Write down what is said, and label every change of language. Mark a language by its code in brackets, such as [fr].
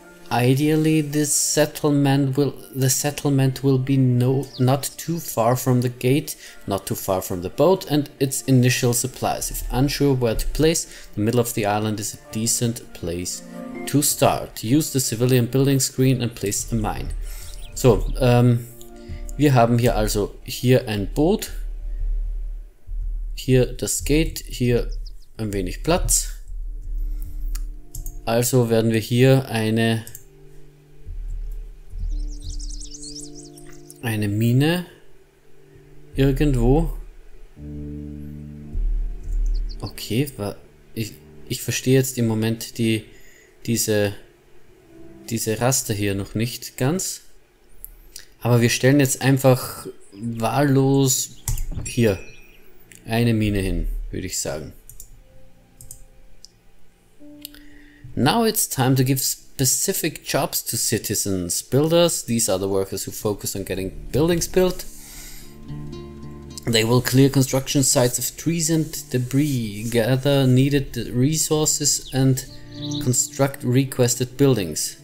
[en] Ideally, the settlement will be not too far from the gate, not too far from the boat and its initial supplies. If unsure where to place, the middle of the island is a decent place to start. Use the civilian building screen and place a mine. [de] So, wir haben hier also hier ein Boot, hier das Gate, hier ein wenig Platz. Also werden wir hier eine Mine irgendwo. Okay, ich verstehe jetzt im Moment diese Raster hier noch nicht ganz. Aber wir stellen jetzt einfach wahllos hier eine Mine hin, würde ich sagen. [en] Now it's time to give specific jobs to citizens. Builders, these are the workers who focus on getting buildings built. They will clear construction sites of trees and debris, gather needed resources and construct requested buildings.